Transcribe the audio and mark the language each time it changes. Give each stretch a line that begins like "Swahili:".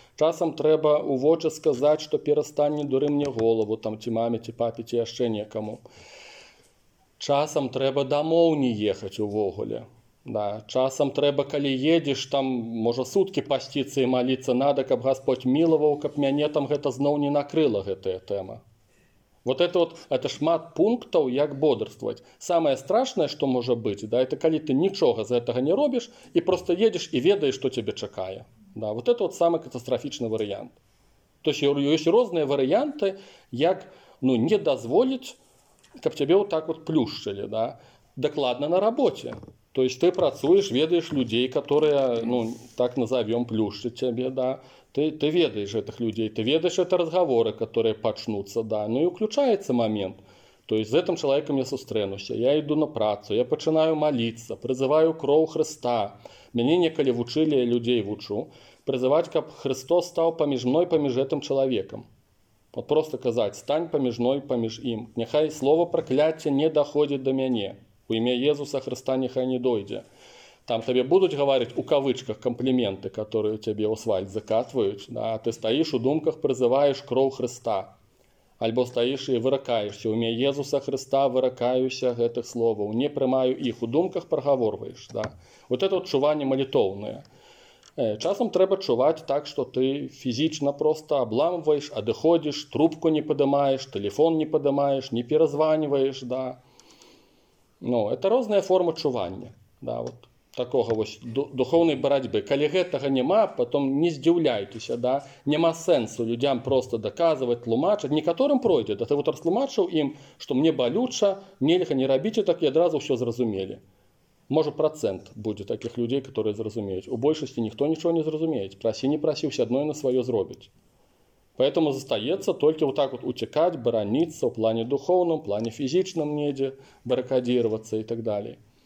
Belarusian: Часам трэба ў вочы сказаць, што перастань
Russian: не дуры мне голову,
Belarusian: там ці маме, ці папе, ці яшчэ некаму. Часам трэба дамоў не ехаць увогуле. Да. Часам трэба, калі едзеш, там, можа, суткі пасціцца і маліцца, надо, каб Гасподь мілаваў, каб мяне там гэта зноў не накрыла гэтая тэма. Вот это вот, это шмат пунктаў, як бодрствоваць. Самае страшнае, што можа быць, да, это калі ты нічога з гэтага не робіш і просто едзеш і ведаеш, што цябе чакае. Да. Вот это вот самы катастрафічны варыянт. То есть, ёсць розныя варыянты, як, ну, не дазволіць, каб цябе вот так вот плюшчылі, да? Дакладна на рабоце. То есть ты працуеш, ведаеш людзей, каторыя, ну, так назавём, плюшчыць цябе, да? Ты ведаеш гэтых людзей, ты ведаеш гэта разговоры, каторыя пачнуцца, да? Ну і ўключаецца момент. То есть з гэтым чалавекам я сустрэнуся, я іду на працу, я пачынаю маліцца, прызываю кроў Хрыста. Мене некалі вучылі, я людзей вучу, прызываць, каб Хрыстос стаў паміж мной, паміж гэтым чалавекам. Вот просто казаць, стань паміж мной, паміж ім. Няхай слова пракляцця не даходзіць да мяне. У імя Єзуса Христа нехай не дойдзе. Там табе будуць гаварыць у кавычках кампліменты, каторыя цябе ў свальт закатваюць. Да? Ты стаіш у думках, прызываеш кроў Христа. Альбо стаіш і выракаешся. У імя Єзуса Христа выракаюся гэтых словаў. Не прымаю іх. У думках прагаворваеш. Да? Вот это вот чуванне малітоўнае. Часам трэба чуваць так, што ты фізічна проста абламваеш, адыходзіш, трубку не падымаеш, тэлефон не падымаеш, не перазваньваеш, да. Ну, это розныя формы чування, да, вот такога вось духоўнай барацьбы. Калі гэтага няма, потом не здзіўляйцеся, да, няма сэнсу людзям проста даказваць, тлумачыць. Некаторым пройдзе, да, ты вот растлумачыў ім, што мне балюча, нельга не рабіць, так і адразу ўсё зразумелі.
Ukrainian: Може, процент буде таких людей, которые зрозуміють. У більшості ніхто нічого не зрозуміє. Просі, не просі, все одно і на своє зробить. Поэтому застається тільки отак от утікати, боронитися в плані духовному, в плані фізичному неді, барикадіруватися і так далі.